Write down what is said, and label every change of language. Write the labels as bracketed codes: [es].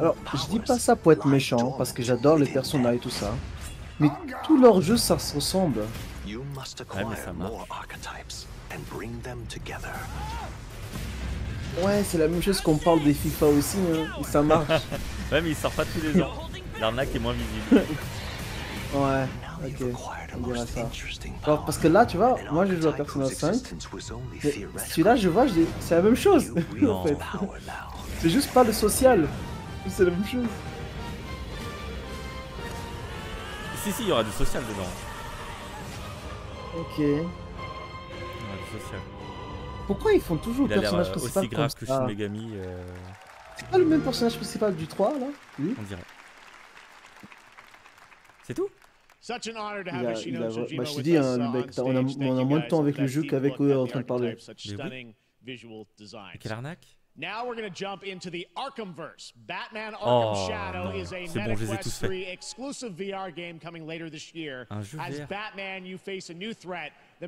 [fr] Alors, je dis pas ça pour être méchant, parce que j'adore les personnages et tout ça. Mais tous leurs jeux, ça se ressemble. [en] You must acquire ouais, more archetypes and bring them together. [fr] Ouais, c'est la même chose qu'on parle des FIFA aussi, hein. Ça marche. Ouais, mais ils sortent pas tous les ans. L'arnaque est moins visible. Ouais, ok. On dira ça. Alors, parce que là, tu vois, moi je joue à Persona 5. Celui-là, je vois, je dis, c'est la même chose. En fait. C'est juste pas le social. C'est la même chose. Si, si, il y aura du social dedans. Ok. Il y aura du social. Pourquoi ils font toujours le personnage principal aussi grave que Shin Megami C'est pas le même personnage principal du 3 là, lui. On dirait. C'est tout. [en] Such an honor to have Shinobu Shino with us. [fr] Mec, on a moins de temps avec le jeu qu'avec eux en train de parler. Mais quelle arnaque. [en] Now we're going to jump into the Arkhamverse. Batman Arkham Shadow is a Meta Quest 3 exclusive VR game coming later this year. As Batman, you face a new threat, the